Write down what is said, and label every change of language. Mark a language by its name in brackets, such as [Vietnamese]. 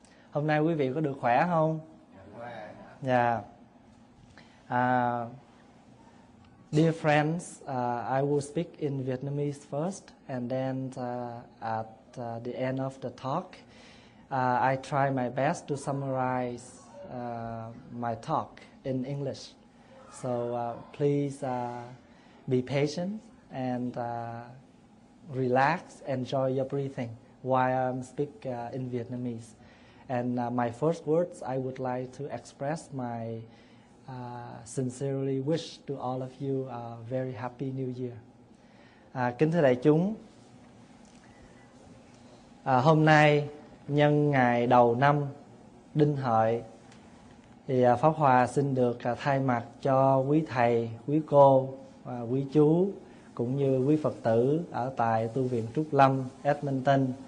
[Vietnamese] Hôm nay quý vị có được khỏe không? Dạ. [English] Dear friends, I will speak in Vietnamese first, and then at the end of the talk, I try my best to summarize my talk in English. So please be patient and relax, enjoy your breathing while I speak in Vietnamese. And my first words, I would like to express my sincerely wish to all of you a very happy new year. [Vietnamese] Kính thưa đại chúng, hôm nay nhân ngày đầu năm Đinh Hợi thì Pháp Hòa xin được thay mặt cho quý thầy, quý cô, quý chú cũng như quý Phật tử ở tại tu viện Trúc Lâm Edmonton